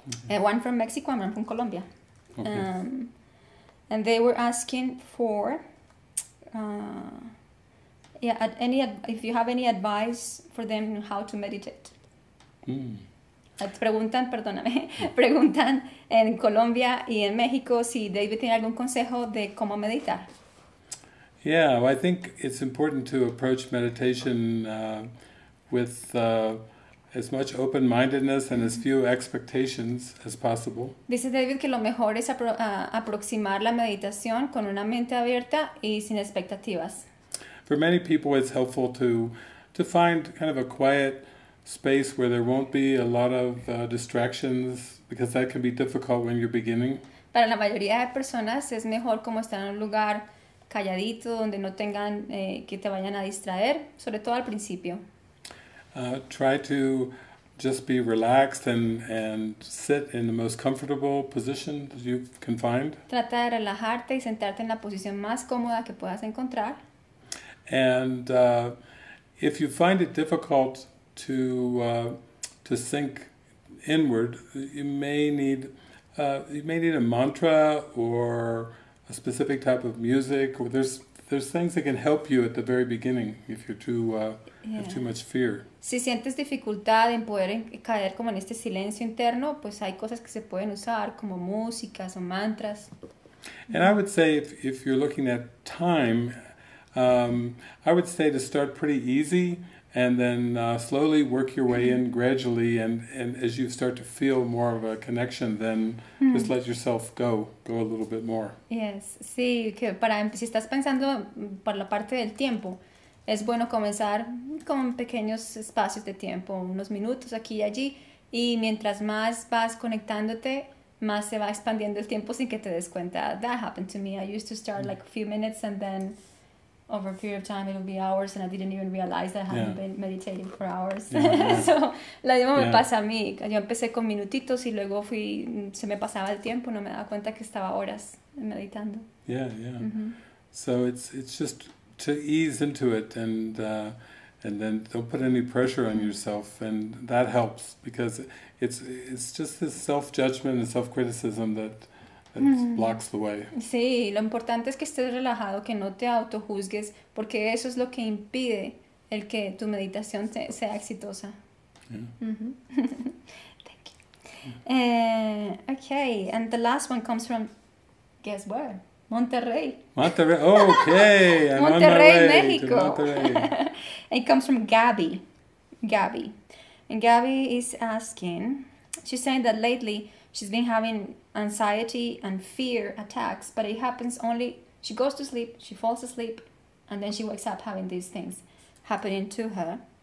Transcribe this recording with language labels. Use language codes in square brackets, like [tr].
[en] Okay. One from Mexico and one from Colombia. Okay. And they were asking for, if you have any advice for them on how to meditate. Mm. [es] Preguntan, perdóname, preguntan en Colombia y en México si David tiene algún consejo de cómo meditar. [en] Yeah, well, I think it's important to approach meditation with as much open-mindedness and as few expectations as possible. [es] Dice David que lo mejor es aproximar la meditación con una mente abierta y sin expectativas. [en] For many people it's helpful to find kind of a quiet space where there won't be a lot of distractions, because that can be difficult when you're beginning. [es] Para la mayoría de personas es mejor como estar en un lugar calladito donde no tengan que te vayan a distraer, sobre todo al principio. [en] Try to just be relaxed and sit in the most comfortable position that you can find. [es] Trata de relajarte y sentarte en la posición más cómoda que puedas encontrar. [en] And if you find it difficult to sink inward, you may need a mantra or a specific type of music, or there's things that can help you at the very beginning if you're too have too much fear. [es] Si sientes dificultad en poder caer como en este silencio interno, pues hay cosas que se pueden usar como músicas o mantras. [en] And I would say if you're looking at time, I would say to start pretty easy and then slowly work your way in gradually, and as you start to feel more of a connection, then just let yourself go a little bit more. [es] Yes, sí, que para si estás pensando por la parte del tiempo, es bueno comenzar con pequeños espacios de tiempo, unos minutos aquí y allí, y mientras más vas conectándote, más se va expandiendo el tiempo sin que te des cuenta. [en] That happened to me. I used to start like a few minutes and then over a period of time, it would be hours, and I didn't even realize that I hadn't been meditating for hours. Yeah. [es] So, la misma me pasa a mí. Yo empecé con minutitos y luego fui, se me pasaba el tiempo, no me daba cuenta que estaba horas meditando. [en] Yeah, yeah. Mm-hmm. So it's just to ease into it, and then don't put any pressure on yourself, and that helps because it's just this self-judgment and self-criticism that blocks the way. [es] Sí, lo importante es que estés relajado, que no te autojuzgues, porque eso es lo que impide el que tu meditación sea exitosa. [en] Yeah. Mm-hmm. Thank you. Okay, and the last one comes from, guess where? Monterrey. Monterrey, oh, okay. I'm Monterrey, on my way Mexico. To Monterrey. It comes from Gabby. And Gabby is asking, she's saying that lately she's been having anxiety and fear attacks, but it happens only, she goes to sleep, she falls asleep, and then she wakes up having these things happening to her.